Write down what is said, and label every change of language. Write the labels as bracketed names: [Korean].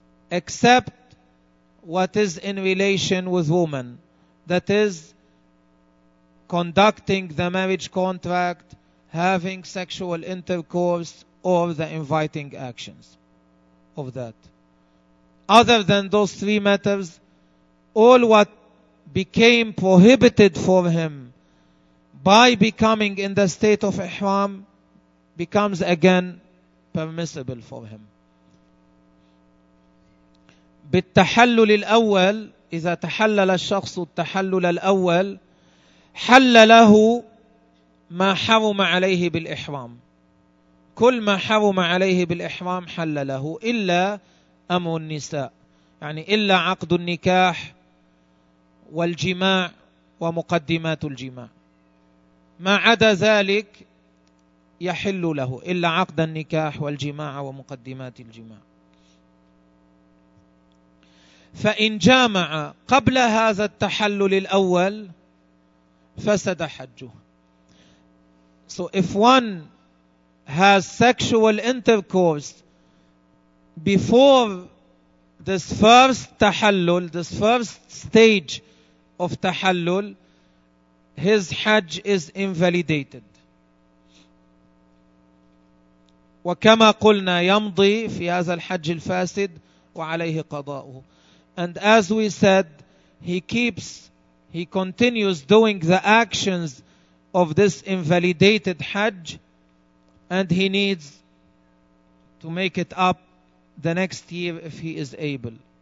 [English] except what is in relation with women, that is, conducting the marriage contract, having sexual intercourse, or the inviting actions of that. Other than those three matters, all what became prohibited for him by becoming in the state of ihram becomes again permissible for him. [Arabic] بالتحلل الأول, إذا تحلل الشخص التحلل الأول, حل له ما حرم عليه بالإحرام. كل ما حرم عليه بالإحرام حل له, إلا أمر النساء, يعني إلا عقد النكاح والجماع ومقدمات الجماع. ما عدا ذلك يحل له, إلا عقد النكاح والجماع ومقدمات الجماع. فإن جامع قبل هذا التحلل الأول فسد حجه. [English] So if one has sexual intercourse before this first tahallul, this first stage of tahallul, his hajj is invalidated. [Arabic] وكما قلنا يمضي في هذا الحج الفاسد وعليه قضاؤه. [English] And as we said, he continues doing the actions of this invalidated hajj, and he needs to make it up the next year if he is able.